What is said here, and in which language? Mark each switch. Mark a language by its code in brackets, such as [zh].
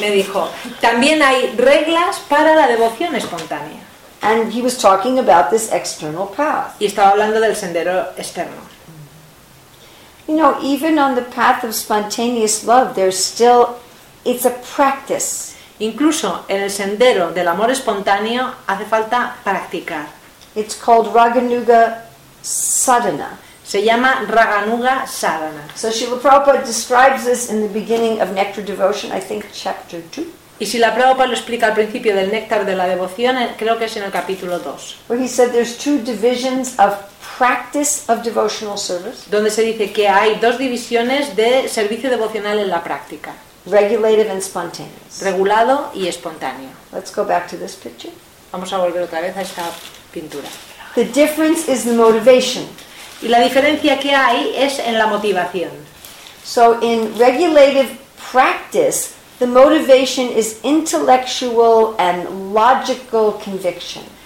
[es] Me dijo, también hay reglas para la devoción espontánea. [en] And he was talking about this external path. [es] Y estaba hablando del sendero externo. [en] You know, even on the path of spontaneous love, there's still, it's a practice. [es] Incluso en el sendero del amor espontáneo hace falta practicar. [en] It's called Raganuga Sadhana. [es] Se llama Raganuga Sadhana. [en] So Srila Prabhupada describes this in the beginning of Nectar Devotion, I think chapter 2. [es] Y si la Prabhupada lo explica al principio del néctar de la devoción, creo que es en el capítulo 2. [en] Where he said there's two divisions of practice of devotional service. [es] Donde se dice que hay dos divisiones de servicio devocional en la práctica. [en] Regulative and spontaneous. [es] Regulado y espontáneo. [en] Let's go back to this picture. [es] Vamos a volver otra vez a esta pintura. [en] The difference is the motivation. [es] Y la diferencia que hay es en la motivación. [en] So in regulative practice, the motivation is intellectual and logical conviction.